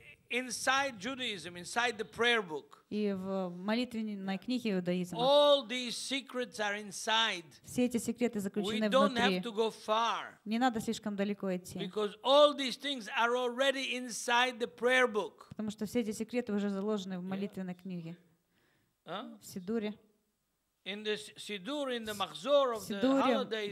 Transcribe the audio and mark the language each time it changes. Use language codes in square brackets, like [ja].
[en] Inside Judaism, inside the prayer book. [ru] И в молитвенной книге иудаизма. [en] All these secrets are inside. [ru] Все эти секреты заключены внутри. [en] We don't have to go far. [ru] Не надо слишком далеко идти. [en] Because all these things are already inside the prayer book. [ru] Потому что все эти секреты уже заложены в молитвенной книге. В Сидуре. [en] In the Sidur, in the Machzor of the holidays.